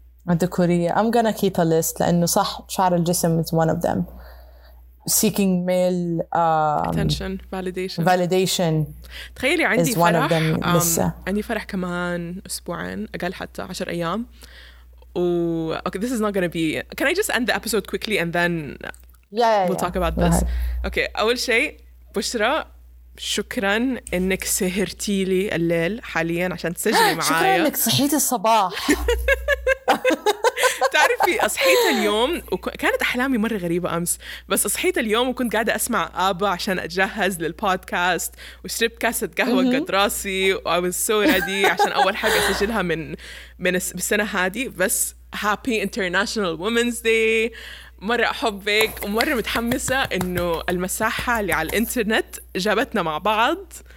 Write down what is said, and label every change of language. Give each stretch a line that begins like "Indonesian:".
Arabic: الذكورية
English: I'm gonna keep a list
Arabic: لأنه صح شعر الجسم
English: is one of them, seeking male attention, validation.
Arabic: تخيلي عندي فرح, عندي فرح كمان أسبوعين أقل حتى 10 أيام.
English: Okay, this is not gonna be. Can I just end the episode quickly and then we'll talk about this? Okay.
Arabic: أول شيء بشرة شكرا إنك سهرتي لي الليل حاليا عشان تسجلي معايا. شكرا إنك صحيت الصباح. تعرفي أصحيت اليوم وكانت أحلامي مرة غريبة أمس, بس أصحيت اليوم وكنت قاعدة أسمع أبا عشان أتجهز للبودكاست وشربت كاسة قهوة قد راسي
English: I was so ready
Arabic: عشان أول حاجة أسجلها من السنة هذه, بس
English: Happy International Women's Day,
Arabic: مرة أحبك ومرة متحمسة إنه المساحة اللي على الإنترنت جابتنا مع بعض.